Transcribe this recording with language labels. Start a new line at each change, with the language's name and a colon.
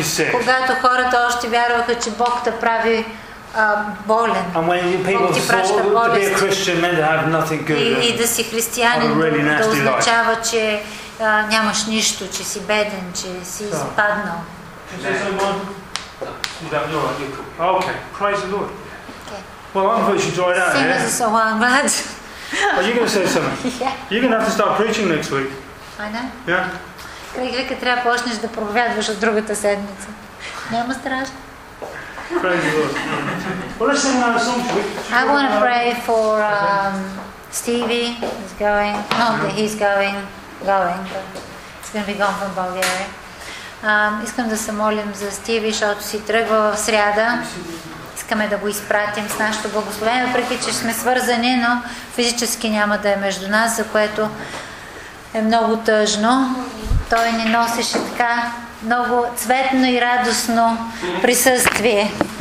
Bulgarian: Когато хората още вярваха, че Бог те прави болен.
English: And when people thought to be a Christian meant to have nothing good.
Bulgarian: И да си християнин, да означава, че нямаш нищо, че си беден, че си изпаднал.
English: Okay, praise the Lord. Well, I'm going to enjoy that. Sing us a song, I'm glad. Are you going to say something? Yeah. You're going to have to start preaching next week. I know. Yeah.
Bulgarian: Крейг, вика, трябва да почнеш да проповядваш от другата седмица. Няма страшно.
English: Praise the Lord. Well, I want to pray for Stevie. He's going. Not that he's going. Going. He's going to be gone from Bulgaria.
Bulgarian: Искам да се молим за Стиви, защото си тръгва в сряда. Искаме да го изпратим с нашето благословение, въпреки че сме свързани, но физически няма да е между нас, за което е много тъжно. Той не носеше така много цветно и радостно присъствие.